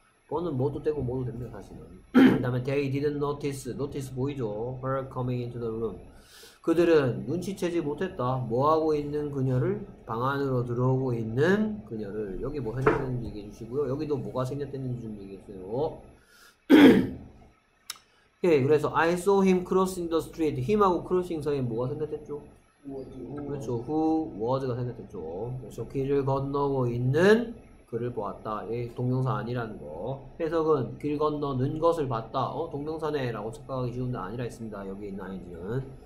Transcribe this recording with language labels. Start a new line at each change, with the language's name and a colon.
Korean: burn은 뭐도 되고 뭐도 됩니다 사실은. 그 다음에
English: they didn't notice. notice
Korean: 보이죠?
English: her coming into the room.
Korean: 그들은 눈치채지 못했다. 뭐하고 있는 그녀를? 방 안으로 들어오고 있는 그녀를. 여기 뭐 생겼는지 얘기해 주시고요. 여기도 뭐가 생겼는지 좀 얘기해 주세요. 예, 그래서
English: I saw him crossing the street.
Korean: him하고 crossing 사이에 뭐가 생각됐죠? 그렇죠. who, was가 생각됐죠. 그래서 길을 건너고 있는 그를 보았다. 예, 동명사 아니라는 거. 해석은 길 건너는 것을 봤다. 어, 동명사네 라고 착각하기 쉬운데 아니라 했습니다. 여기 있는 ing는.